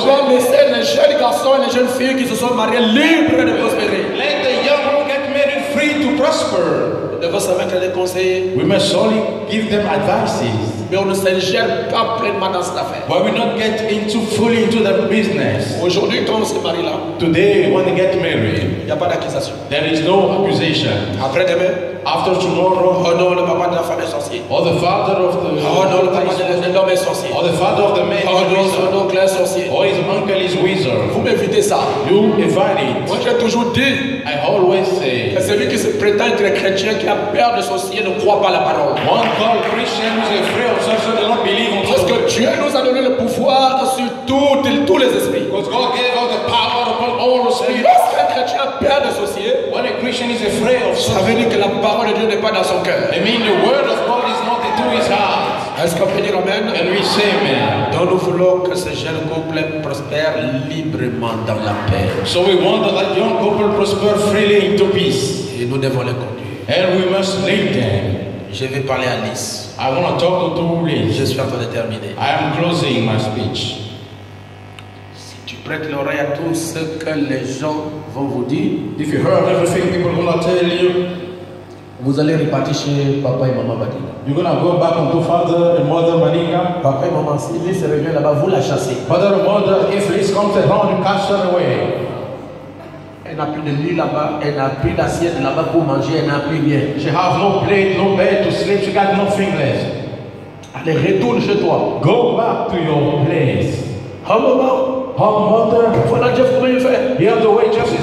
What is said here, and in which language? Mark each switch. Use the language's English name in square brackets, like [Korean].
[French] doit laisser les jeunes garçons et les jeunes filles qui se sont mariés libres de prospérer. [English] Let the young ones get married free to prosper. We must only give them advices. [French] Mais on ne s'ingère pas pleinement dans cette affaire. [English] But we not get into fully into the business. [French] Aujourd'hui, quand on se marie là, [English] today when they get married, [French] y a pas d'accusation. [English] There is no accusation. [French] Après demain, [English] after tomorrow, [French] oh non, le papa de la femme est sorcier. [English] Or the father of the, [French] oh non, le papa de l'homme est sorcier. [English] Or the father of the man, [French] oh non, son oncle est sorcier. [English] Or his uncle is wizard. [French] Vous m'évitez ça. [English] You evade it. [French] Moi j'ai toujours dit, [English] I always say, [French] que celui qui se prétend être chrétien qui a peur de sorcier ne croit pas la parole. [English] One called Christian who is afraid of sorcier does not believe. [French] Parce que Dieu nous a donné le pouvoir sur tous les esprits. [English] Because God gave us the power upon all the spirits. [French] Lorsque un chrétien a peur de sorcier, [English] when a Christian is afraid of sorcier, [French] ça veut dire que la parole de Dieu n'est pas dans son cœur. [English] I mean the word of God is not into his heart. [French] Est-ce qu'on peut dire amen? [English] And we say amen. [French] Donc nous voulons que ce jeune couple prospère librement dans la paix. [English] So we want that, that young couple prosper freely into peace. [French] Et nous devons les conduire. [English] And we must lead them. [French] Je vais parler à Liz. [English] I want to talk to Liz. [French] Je suis en train de terminer. [English] I am closing my speech. [French] Si tu prêtes l'oreille à tout ce que les gens vont vous dire, [English] if you heard everything people are going to tell you, [French] vous allez repartir chez papa et maman Badinga. [English] You're gonna go back to father and mother Badinga. [French] Papa et maman, si lui se revient là-bas, vous la chassez. [English] Father and mother, if Liz comes around, you cast her away. [French] Elle n'a plus de lit là-bas, elle n'a plus d'assiette là-bas pour manger, elle n'a plus rien. [English] She has no plate, no bed to sleep, she got nothing left. [French] Allez, retourne chez toi. [English] Go back to your place. How about? Oh, mother. [French] Voilà Jeff comment il fait. [English] Here the way Jeff is.